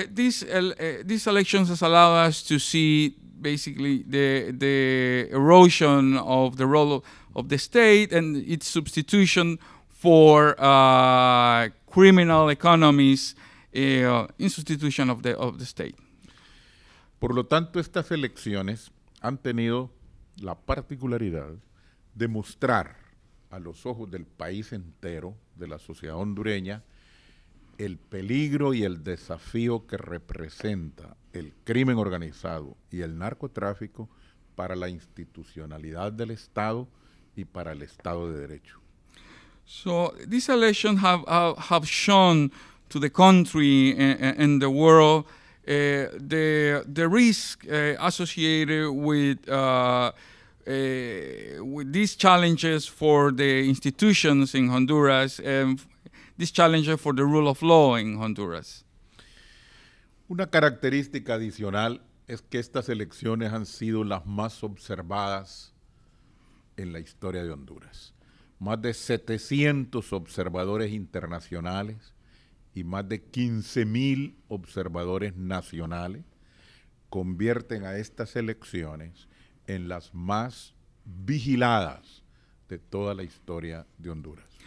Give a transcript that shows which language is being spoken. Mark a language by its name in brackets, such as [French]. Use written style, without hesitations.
[English] These elections has allowed us to see basically the erosion of the role of the state and its substitution for criminal economies in substitution of the state. [Spanish] Por lo tanto, estas elecciones han tenido la particularidad de mostrar a los ojos del país entero, de la sociedad hondureña, el peligro y el desafío que representa el crimen organizado y el narcotráfico para la institucionalidad del Estado y para el Estado de Derecho. [English] So, this election have shown to the country and the world the risk associated with these challenges for the institutions in Honduras and these challenges for the rule of law in Honduras. [Spanish] Una característica adicional es que estas elecciones han sido las más observadas en la historia de Honduras. Más de 700 observadores internacionales y más de 15,000 observadores nacionales convierten a estas elecciones en las más vigiladas de toda la historia de Honduras.